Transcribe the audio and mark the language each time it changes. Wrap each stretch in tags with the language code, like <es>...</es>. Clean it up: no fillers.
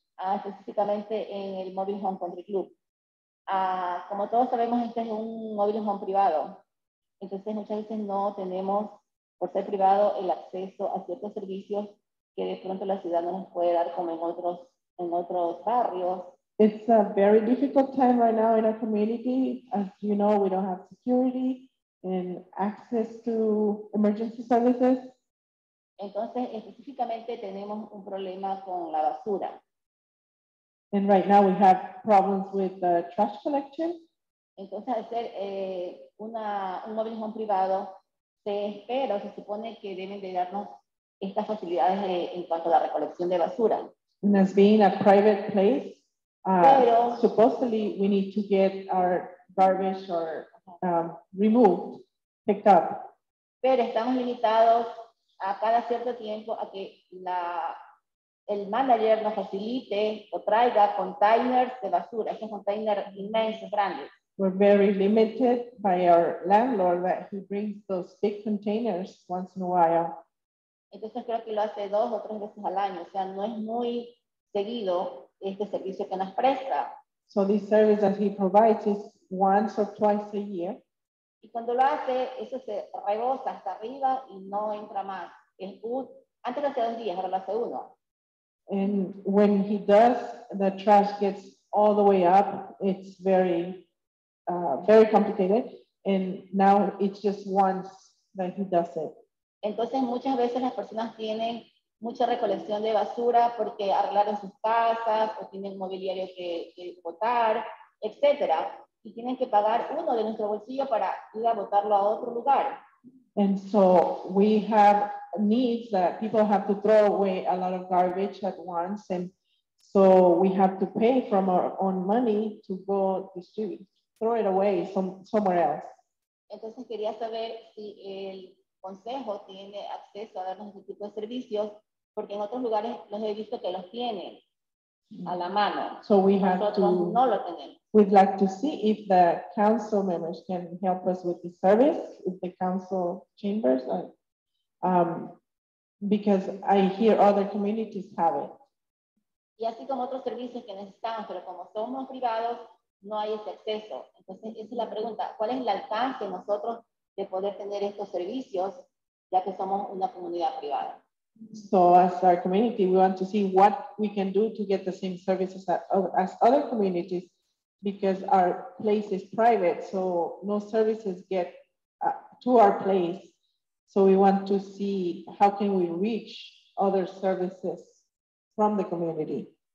<es>Específicamente en el Mobile Home Country Club. Como todos sabemos, este es un mobile home privado. Entonces muchas veces no tenemos, por ser privado, el acceso a ciertos servicios que de pronto la ciudad no nos puede dar como en otros barrios.</es> <en>It's a very difficult time right now in our community. As you know, we don't have security and access to emergency services.</en> <es>Entonces, específicamente tenemos un problema con la basura.</es> <en>And right now we have problems with the trash collection.</en> <es>Entonces, al ser un mobile home privado, se supone que deben de darnos estas facilidades en cuanto a la recolección de basura.</es> <en>And as being a private place, supposedly we need to get our garbage or removed. Picked up.</en> <es>Pero estamos limitados a cada cierto tiempo a que el manager nos facilite o traiga containers de basura. Estos containers inmensos, grandes.</es> <en>We're very limited by our landlord that he brings those big containers once in a while.</en> <es>Entonces creo que lo hace dos o tres veces al año. O sea, no es muy seguido este servicio que nos presta.</es> <en>So this service that he provides is once or twice a year.</en> <es>Y cuando lo hace, eso se rebosa hasta arriba y no entra más. Antes lo hacía dos días, ahora lo hace uno.</es> <en>And when he does, the trash gets all the way up. It's very, very complicated. And now it's just once that he does it.</en> <es>Entonces muchas veces las personas tienen mucha recolección de basura porque arreglaron sus casas o tienen mobiliario que botar, etc. Y tienen que pagar uno de nuestro bolsillo para ir a botarlo a otro lugar.</es> <en>And so we have needs that people have to throw away a lot of garbage at once. And so So we have to pay from our own money to go distribute, throw it away somewhere else.</en> <es>Entonces quería saber si el consejo tiene acceso a darnos este tipo de servicios, porque en otros lugares los he visto que los tienen a la mano.</es> <en>So we have to,</en> <es>no lo tenemos.</es> <en>We'd like to see if the council members can help us with the service, if the council chambers, because I hear other communities have it.</en> <es>Y así como otros servicios que necesitamos, pero como somos privados, no hay ese acceso. Entonces, esa es la pregunta. ¿Cuál es el alcance nosotros de poder tener estos servicios, ya que somos una comunidad privada?</es> <en>So, as our community, we want to see what we can do to get the same services as other communities, because our place is private, so no services get to our place. So we want to see how can we reach other services from the community.</en>